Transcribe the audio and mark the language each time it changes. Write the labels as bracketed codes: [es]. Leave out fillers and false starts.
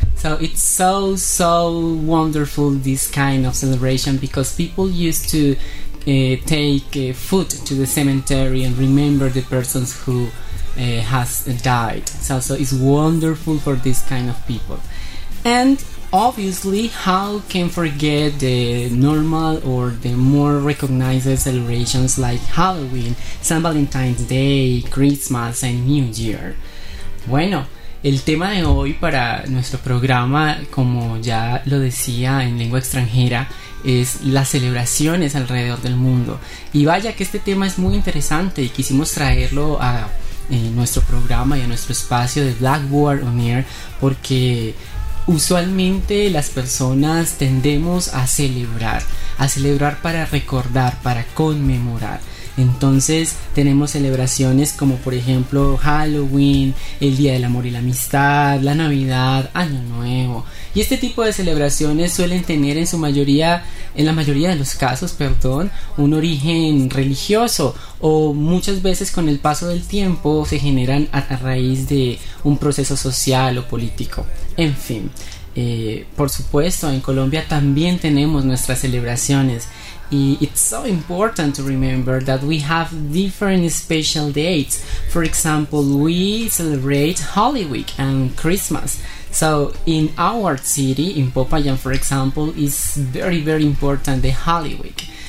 [en] So it's so wonderful, this kind of celebration, because people used to take food to the cemetery and remember the persons who has died. So it's wonderful for this kind of people. And obviously, how can forget the normal or the more recognized celebrations like Halloween, San Valentine's Day, Christmas and New Year? [es] Bueno, el tema de hoy para nuestro programa, como ya lo decía en lengua extranjera, es las celebraciones alrededor del mundo. Y vaya que este tema es muy interesante y quisimos traerlo a en nuestro programa y en nuestro espacio de Blackboard On Air, porque usualmente las personas tendemos a celebrar para recordar, para conmemorar. Entonces tenemos celebraciones como por ejemplo Halloween, el Día del Amor y la Amistad, la Navidad, Año Nuevo. Y este tipo de celebraciones suelen tener en la mayoría de los casos, un origen religioso, o muchas veces con el paso del tiempo se generan a raíz de un proceso social o político. En fin, por supuesto, en Colombia también tenemos nuestras celebraciones. [en] Y it's so important to remember that we have different special dates. For example, we celebrate Holy Week and Christmas. So in our city, in Popayán, for example, is very, very important, the Holy Week.